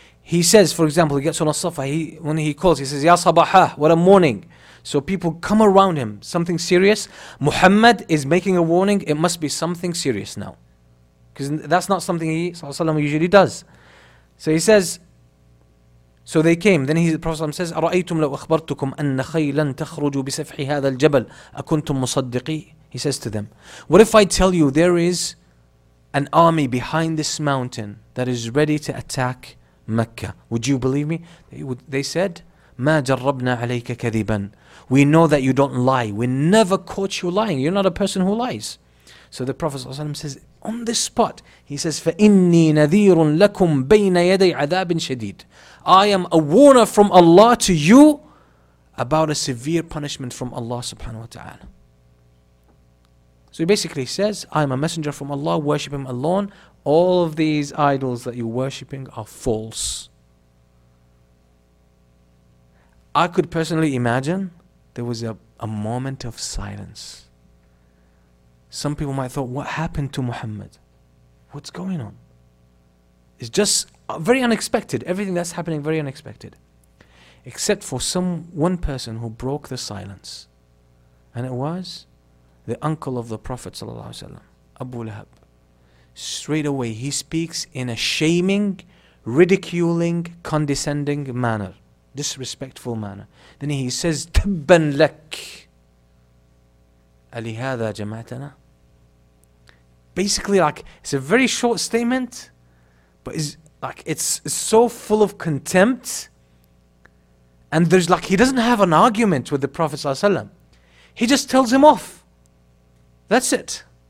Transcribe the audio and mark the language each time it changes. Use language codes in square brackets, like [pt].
[en] He says, for example, he gets on as-safa, when he calls, he says, Ya sabaha, what a morning. So people come around him, something serious. Muhammad is making a warning, it must be something serious now. Because that's not something he ﷺ usually does. So he says, so they came. Then the Prophet ﷺ says, [ar] أَرَأَيْتُمْ لَوْ أَخْبَرْتُكُمْ أَنَّ خَيْلًا تَخْرُجُ بِسَفْحِ هَذَا الْجَبَلْ أَكُنْتُمْ مُصَدِّقِي. [en] He says to them, what if I tell you there is an army behind this mountain that is ready to attack Mecca? Would you believe me? They said, [ar] مَا جَرَّبْنَا عَلَيْكَ كَذِبًا. [en] We know that you don't lie. We never caught you lying. You're not a person who lies. So the Prophet ﷺ says, on this spot, he says, [ar] فَإِنِّي نَذِيرٌ لَكُمْ بَيْنَ يَدَيْ عَذَابٍ شَدِيدٍ. [en] I am a warner from Allah to you about a severe punishment from Allah subhanahu wa ta'ala. So he basically says, I am a messenger from Allah, worship Him alone. All of these idols that you're worshipping are false. I could personally imagine there was a moment of silence. Some people might thought, what happened to Muhammad? What's going on? It's just very unexpected. Everything that's happening, very unexpected. Except for one person who broke the silence. And it was the uncle of the Prophet ﷺ, Abu Lahab. Straight away, he speaks in a shaming, ridiculing, condescending manner. Disrespectful manner. Then he says, [ar] تَبَّنْ لَكْ أَلِهَذَا جَمَعْتَنَا. [en] Basically, like, it's a very short statement, but it's so full of contempt. And there's like, he doesn't have an argument with the Prophet ﷺ. He just tells him off. That's it.